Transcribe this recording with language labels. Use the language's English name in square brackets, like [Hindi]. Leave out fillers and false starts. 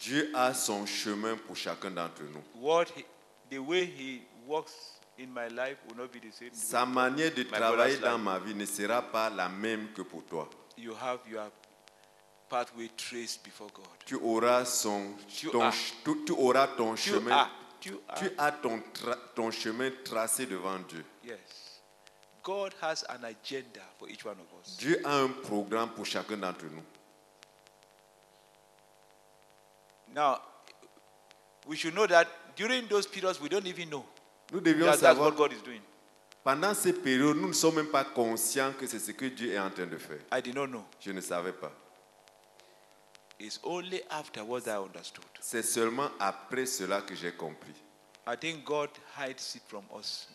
[French] Dieu a son chemin pour chacun d'entre nous. [English] The way he works in my life will not be the same. [French] Sa manière de travailler dans ma vie ne sera pas la même que pour toi. [English] You have your pathway traced before God. [French] Tu auras son chemin. Tu as ton chemin tracé devant Dieu. [English] Yes. God has an agenda for each one of us. [French] Dieu a un programme pour chacun d'entre nous. [English] Now, we should know that during those periods, we don't even know. [French] Nous devions [English] that's what God is doing. [French] Pendant ces périodes, nous ne sommes même pas conscients que c'est ce que Dieu est en train de faire. [English] I did not know. [French] Je ne savais pas. [English] It's only afterwards I understood. [French] C'est seulement après cela que j'ai compris. [English] I think God hides it from us.